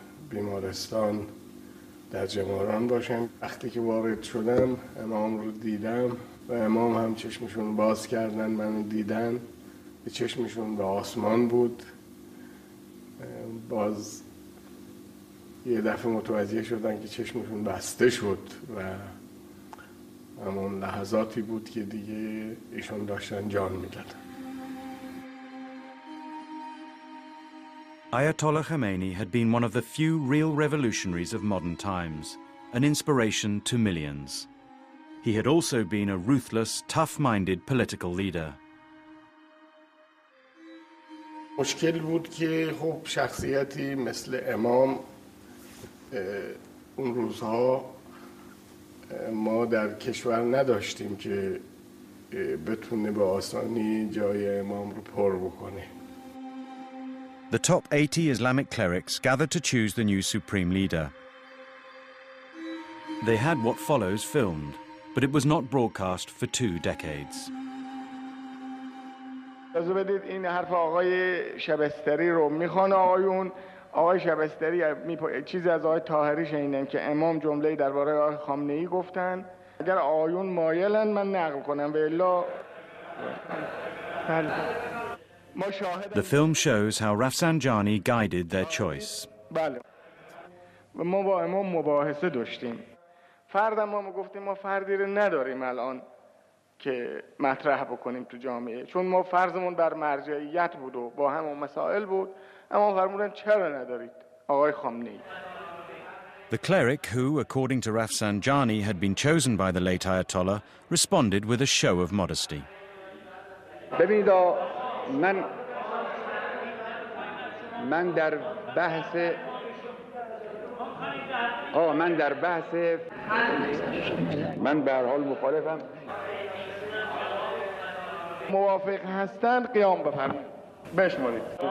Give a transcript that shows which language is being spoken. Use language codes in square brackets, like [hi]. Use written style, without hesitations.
[fa] بیمارستان در جماران باشم وقتی که وارد شدم امام رو دیدم و امام هم چشمشون باز کردن منو دیدن به چشمشون به آسمان بود باز یه دفعه متوجه شدن که چشمشون بسته شد و همون لحظاتی بود که دیگه ایشون داشتن جان میدادن [en] Ayatollah Khomeini had been one of the few real revolutionaries of modern times, an inspiration to millions. He had also been a ruthless, tough-minded political leader. [fa] مشکل بود که خب شخصیتی مثل امام اون روزها ما در کشور نداشتیم که بتونه به آسانی جای امام رو پر بکنه. [en] The top 80 Islamic clerics gathered to choose the new supreme leader. They had what follows filmed, but it was not broadcast for 2 decades. [fa] از بدید این حرف آقای شبستری رو میخوان آقایون آقای شبستری چیزی از آقای طاهری شنیدم که امام جمله‌ای درباره آقای خامنه‌ای گفتن اگر آقایون مایلن من نقل کنم و الا [en] The film shows how Rafsanjani guided their choice. [fa] بله ما با امام مباحثه داشتیم فرد ما گفتیم ما فردی رو نداریم الان که مطرح بکنیم تو جامعه چون ما فرضمون بر مرجعیت بود و با همون مسائل بود اما فرمودن چرا ندارید آقای خامنه‌ای [en] The cleric who according to Rafsanjani had been chosen by the late Ayatollah responded with a show of modesty [fa] ببینید من در بحث من در بحث من به هر حال مخالفم موافق هستن قیام بفرمایید بشمارید